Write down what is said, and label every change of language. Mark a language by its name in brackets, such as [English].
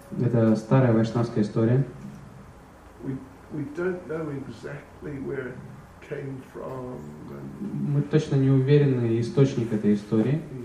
[Russian] Это старая вайшнавская история. [English] We don't know exactly where it came from. [Russian] Мы точно не уверены источник этой истории.